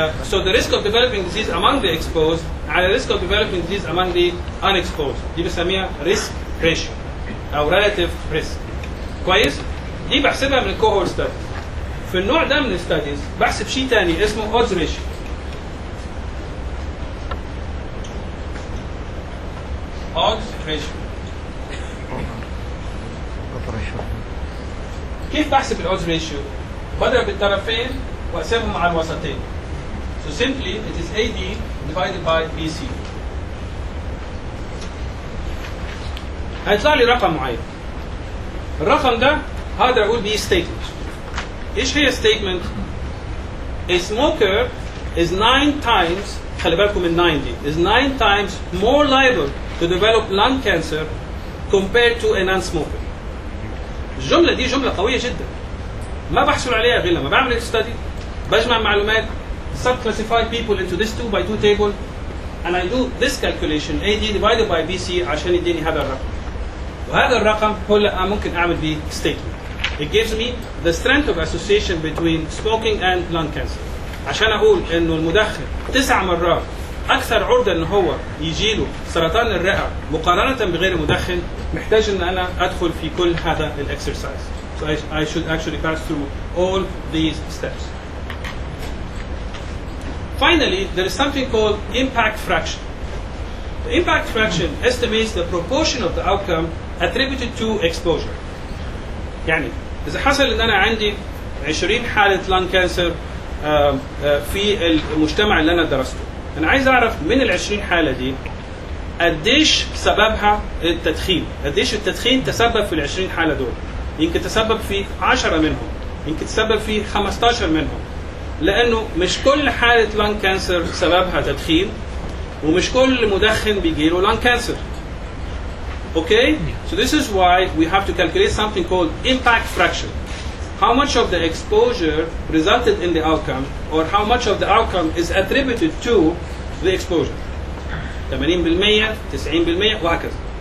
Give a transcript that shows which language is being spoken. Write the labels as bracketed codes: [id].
[en] So the risk of developing disease among the exposed and the risk of developing disease among the unexposed. [ar] دي بسميها risk ratio أو relative risk. كويس؟ دي بحسبها من cohort studies. في النوع ده من studies بحسب شيء تاني اسمه odds ratio. [en] Odds ratio. [ar] كيف بحسب odds ratio؟ بضرب الطرفين وأقسمهم على الوسطين. [en] So simply it is AD divided by BC. [ar] هيطلع لي رقم معين. الرقم ده هذا أقول بيه statement. إيش هي statement؟ [en] A smoker is 9 times, [ar] خلي بالكم من 90, [en] is 9 times more liable to develop lung cancer compared to a non-smoker. [ar] الجملة دي جملة قوية جدا. ما بحصل عليها غير لما بعمل study. بجمع معلومات [en] subclassify people into this 2x2 table and I do this calculation AD divided by BC [ar] عشان يديني هذا الرقم. وهذا الرقم هو اللي ممكن اعمل بيه statement. [en] It gives me the strength of association between smoking and lung cancer. [ar] عشان اقول انه المدخن 9 مرات اكثر عرضة ان هو يجيله سرطان الرئة مقارنة بغير المدخن محتاج ان انا ادخل في كل هذا الاكسرسايز. [en] So I should actually pass through all these steps. Finally, there is something called impact fraction. The impact fraction estimates the proportion of the outcome attributed to exposure. [ar] يعني إذا حصل إن أنا عندي 20 حالة lung cancer في المجتمع اللي أنا درسته. أنا عايز أعرف من ال 20 حالة دي قديش سببها التدخين. قديش التدخين تسبب في ال 20 حالة دول. يمكن تسبب في 10 منهم. يمكن تسبب في 15 منهم. لأنه مش كل حالة lung cancer سببها تدخين ومش كل مدخن بيجيله lung cancer. [en] Okay? So this is why we have to calculate something called impact fraction. how much of the exposure resulted in the outcome, or how much of the outcome is attributed to the exposure. [ar] 80%, 90%, وهكذا.